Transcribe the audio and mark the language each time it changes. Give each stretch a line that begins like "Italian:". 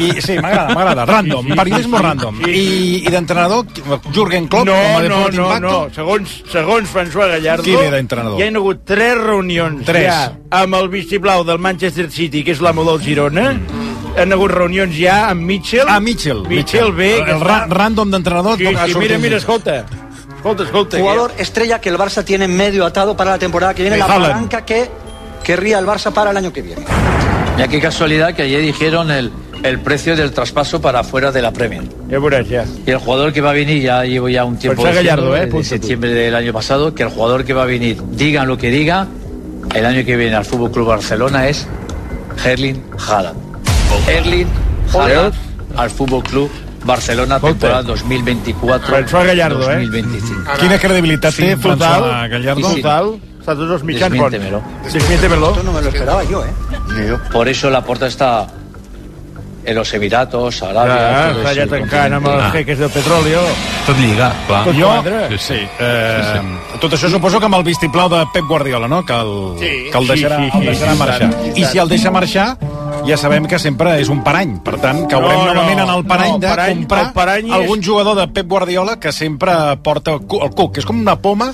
Catalan: I, sí, m'agrada. Random. Periodisme random. Sí. I d'entrenador, Jürgen Klopp, no, com a Deport d'Impacto? No. Segons François Gallardo... Qui ve d'entrenador? Hi ha hagut tres reunions. Tres. Ja, amb el vistiplau del Manchester City, que és l'amo del Girona. Hi ha hagut reunions ja amb Mitchell. Ah, Mitchell. Mitchell ve... Random d'entrenador... Sí, sí, mira, escolta... Escolta.
Spanish: Jugador estrella que el Barça tiene medio atado para la temporada que viene, la palanca que querría el Barça para el año que viene. Y qué casualidad que ayer dijeron el precio del traspaso para fuera de la Premier. Ya verás, ya. Y el jugador que va a venir, ya llevo ya un tiempo Gallardo, de septiembre del año pasado, que el jugador que va a venir, digan lo que diga, el año que viene al FC Barcelona es Erling Haaland. Erling Haaland al FC Barcelona, temporada 2024-2025.
Catalan: Quina credibilitat té, total, Gallardo? Total, està tots els mitjans bons.
Spanish: Desmiéntemelo. Desmiéntemelo. Esto no me lo esperaba yo, ¿eh? Por eso la porta está en los Emiratos, Arabia...
Catalan: Està allà tancant amb els jeques del petroli. Tot lliga, clar. Tot jo, sí. Tot això suposo que amb el vistiplau de Pep Guardiola, no? Que el deixarà marxar. I si el deixa marxar... Ja sabem que sempre és un parany, per tant, caurem novament en el parany de comprar algun jugador de Pep Guardiola que sempre porta el cuc, que és com una poma.